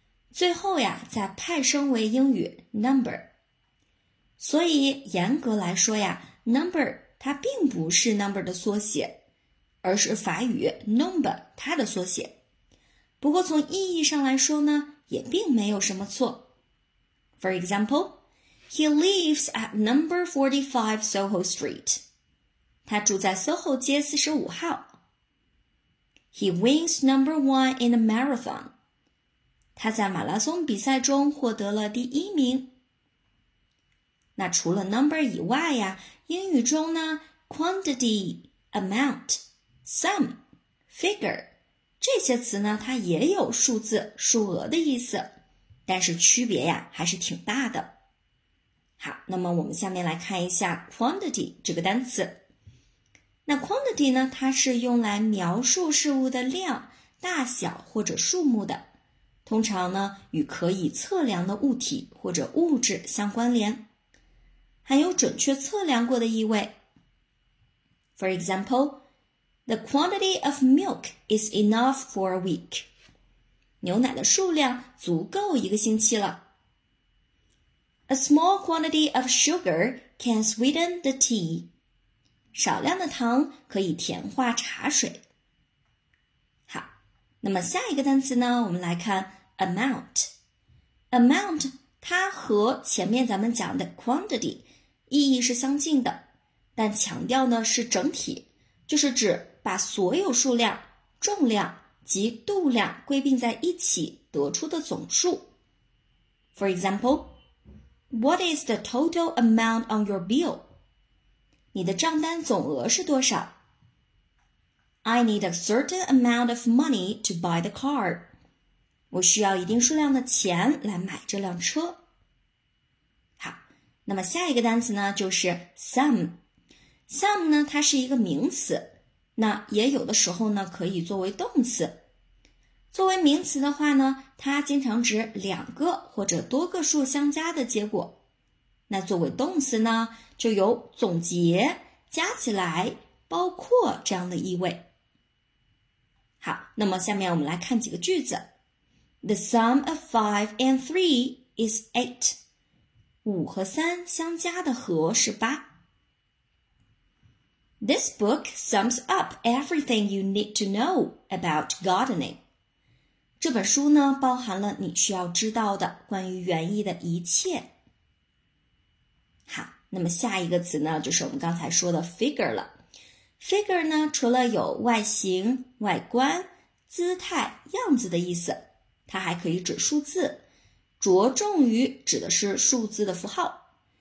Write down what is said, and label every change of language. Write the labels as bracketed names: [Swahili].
[Chinese] 最后呀，再派生为英语 number。所以严格来说呀 ，number 它并不是 number 的缩写，而是法语 number 它的缩写。不过从意义上来说呢，也并没有什么错。 [English] For example, he lives at number 45 Soho Street. [Chinese] 他住在 SOHO 街45号。 [English] He wins number one in a marathon. [Chinese] 他在马拉松比赛中获得了第一名。那除了 number 以外呀，英语中呢 quantity, amount, sum, figure, 这些词呢它也有数字、数额的意思，但是区别呀还是挺大的。好，那么我们下面来看一下 quantity 这个单词。那 quantity 呢，它是用来描述事物的量、大小或者数目的，通常呢与可以测量的物体或者物质相关联，含有准确测量过的意味。 [English] For example, the quantity of milk is enough for a week. [Chinese] 牛奶的数量足够一个星期了。 [English] A small quantity of sugar can sweeten the tea. [Chinese] 少量的糖可以甜化茶水。好，那么下一个单词呢，我们来看 amount。 amount 它和前面咱们讲的 quantity 意义是相近的，但强调呢是整体，就是指把所有数量、重量及度量归并在一起得出的总数。 [English] For example, what is the total amount on your bill? [Chinese] 你的账单总额是多少？ [English] I need a certain amount of money to buy the car. [Chinese] 我需要一定数量的钱来买这辆车。好，那么下一个单词呢，就是 sum。 sum 呢，它是一个名词，那也有的时候呢，可以作为动词。作为名词的话呢，它经常指两个或者多个数相加的结果。那作为动词呢，就有总结、加起来、包括这样的意味。好，那么下面我们来看几个句子。 [English] The sum of 5 and 3 is 8. [Chinese] 五和三相加的和是八。 [English] This book sums up everything you need to know about gardening. [Chinese] 这本书呢，包含了你需要知道的关于园艺的一切。好，那么下一个词呢，就是我们刚才说的 figure 了。 figure 呢，除了有外形、外观、姿态、样子的意思，它还可以指数字，着重于指的是数字的符号。